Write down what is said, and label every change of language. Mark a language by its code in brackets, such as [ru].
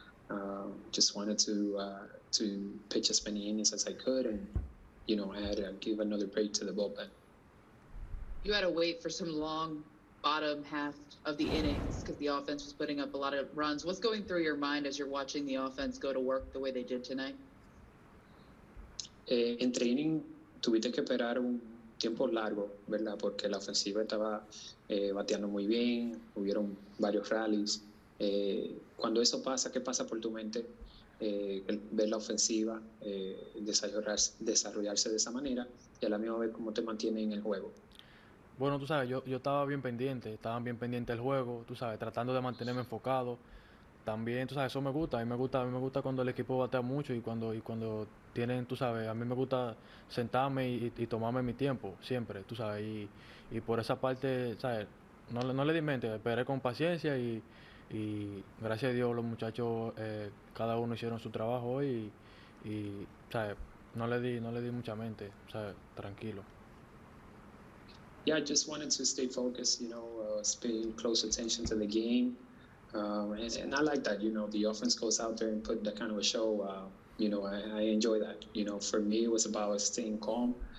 [en] And just wanted to pitch as many innings as I could and, you know, add and give another break to the bullpen. You had to wait for some long bottom half of the innings because the offense was putting up a lot of runs. What's going through your mind as you're watching the offense go to work the way they did tonight? [es] En training tuviste que esperar un tiempo largo, ¿verdad? Porque la ofensiva estaba bateando muy bien, hubieron varios rallies. Cuando eso pasa, ¿qué pasa por tu mente? Ver la ofensiva desarrollarse de esa manera y a la misma vez cómo te mantiene en el juego. Bueno, tú sabes, yo estaba bien pendiente, estaban bien pendientes del juego, tú sabes, tratando de mantenerme enfocado. También, tú sabes, eso me gusta, a mí me gusta cuando el equipo batea mucho y cuando tienen, tú sabes, a mí me gusta sentarme y tomarme mi tiempo, siempre, tú sabes, y por esa parte, sabes, no le di mente, esperé con paciencia y gracias a Dios los muchachos, cada uno hicieron su trabajo hoy y sabes, no le di mucha mente, sabes, tranquilo. [en] Yeah, I just wanted to stay focused, you know, paying close attention to the game. And I like that, you know, the offense goes out there and put that kind of a show. You know, I enjoy that. You know, for me, it was about staying calm.